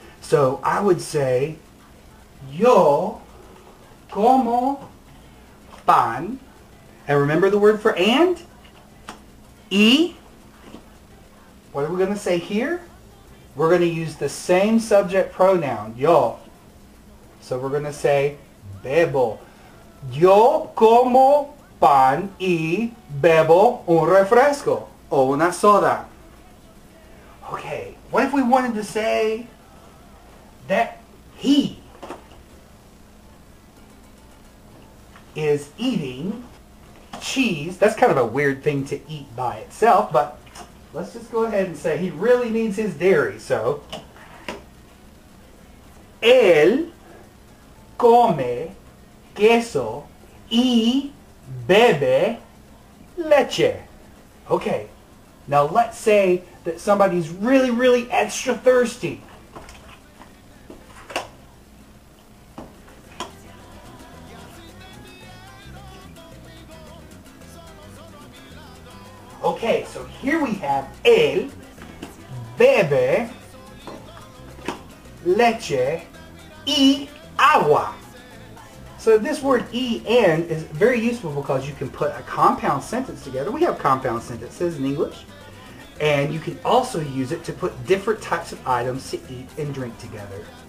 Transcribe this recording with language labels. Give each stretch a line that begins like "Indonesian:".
English: So I would say,
Spanish: yo como pan.
English: And remember the word for and? E. What are we going to say here? We're going to use the same subject pronoun, yo. So we're going to say bebo.
Spanish: Yo como pan y bebo un refresco o una soda.
English: Okay, what if we wanted to say that he is eating cheese? That's kind of a weird thing to eat by itself, but let's just go ahead and say he really needs his dairy, so.
Spanish: Él come queso y bebe leche.
English: Okay, now let's say that somebody's really, really extra thirsty. Okay, so here we have
Spanish: él bebe leche y agua.
English: So this word y and is very useful because you can put a compound sentence together. We have compound sentences in English. And you can also use it to put different types of items to eat and drink together.